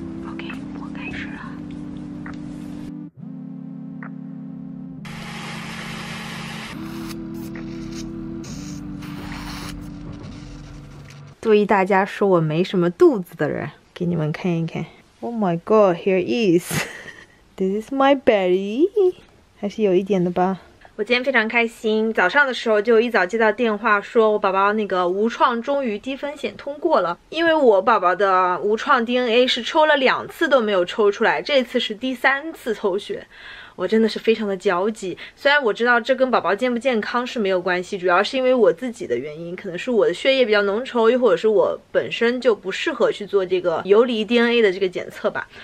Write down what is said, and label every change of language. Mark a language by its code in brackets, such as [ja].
[zh] OK， 我开始了。注意，大家说我没什么肚子的人，给你们看一看。 [en] Oh my God, here is. This is my belly， [zh] 还是有一点的吧。我今天非常开心，早上的时候就一早接到电话，说我宝宝那个无创终于低风险通过了。因为我宝宝的无创 DNA 是抽了两次都没有抽出来，这次是第三次抽血，我真的是非常的焦急。虽然我知道这跟宝宝健不健康是没有关系，主要是因为我自己的原因，可能是我的血液比较浓稠，又或者是我本身就不适合去做这个游离 DNA 的这个检测吧。